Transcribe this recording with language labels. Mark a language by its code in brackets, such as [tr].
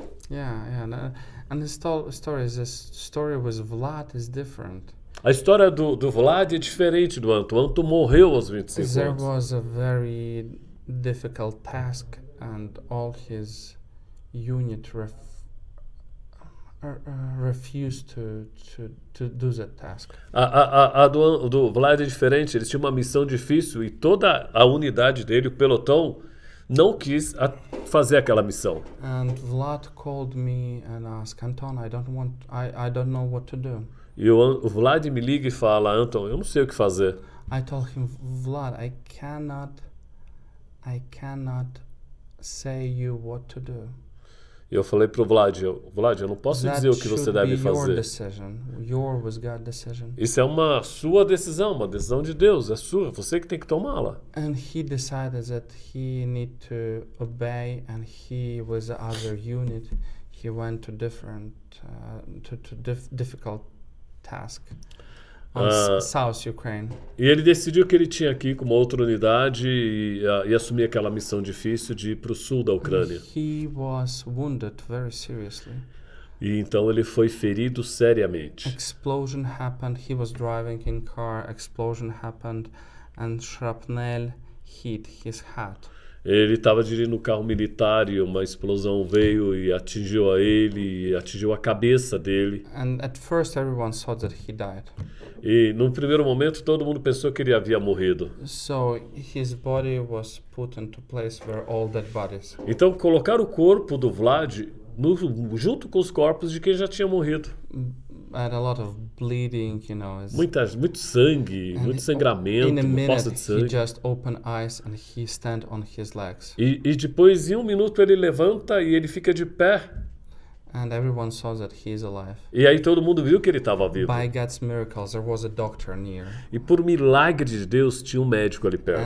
[en] Yeah, and the story with Vlad is different. [pt] A história do Vlad é diferente do Anton. Anton morreu aos 25 anos. [en] There was a very difficult task and all his unit refused to do that task. [pt] A do Vlad é diferente. Ele tinha uma missão difícil e toda a unidade dele, o pelotão, não quis fazer aquela missão. [en] And Vlad called me and asked, Anton, I don't know what to do. [pt] E o Vlad me liga e fala, Anton, eu não sei o que fazer. [en] I told him, Vlad, I cannot say you what to do. [pt] E eu falei pro Vlad, eu não posso [en] that [pt] dizer o que você deve fazer. [en] Your decision, your with God decision. [pt] Isso é uma sua decisão, uma decisão de Deus, é sua, você que tem que tomá-la. [en] And he decided that he need to obey and he was the other unit. He went to difficult task. South Ukraine. [pt] E ele decidiu que ele tinha aqui como outra unidade e assumir aquela missão difícil de ir para o sul da Ucrânia. [en] He was wounded very seriously. [pt] E então ele foi ferido seriamente. [en] Explosion happened. He was driving in car. Explosion happened, and shrapnel hit his hat. [pt] Ele estava dirigindo um carro militar e uma explosão veio e atingiu a ele, e atingiu a cabeça dele. [en] And at first everyone saw that he died. [pt] E no primeiro momento todo mundo pensou que ele havia morrido. [en] So his body was put into place where all dead bodies. [pt] Então colocaram o corpo do Vlad junto com os corpos de quem já tinha morrido. [en] Had a lot of bleeding, you know. [pt] Muito sangue, muito sangramento, uma poça de sangue. [en] He just opened eyes and he stand on his legs. [pt] E depois em um minuto ele levanta e ele fica de pé. [en] And everyone saw that he is alive. [pt] E aí todo mundo viu que ele estava vivo. [en] By God's miracles, there was a doctor near. [pt] E por milagre de Deus tinha um médico ali perto.